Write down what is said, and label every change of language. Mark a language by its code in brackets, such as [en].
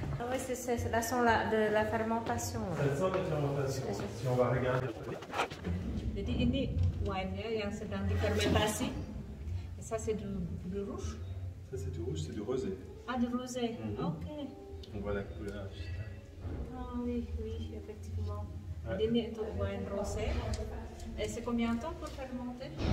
[fr] Oui, c'est la sens de la fermentation. Ça sent la fermentation. Si on va regarder. [id] Jadi ini wine ya yang sedang difermentasi. [fr] Et ça c'est du rouge. Ça c'est du rouge, c'est du rosé. Ah, du rosé. Mm-hmm. OK. On voit la couleur. Ah oui, effectivement. Ouais. [id] Ini untuk wine rosé. Et [fr] c'est combien de temps pour fermenter?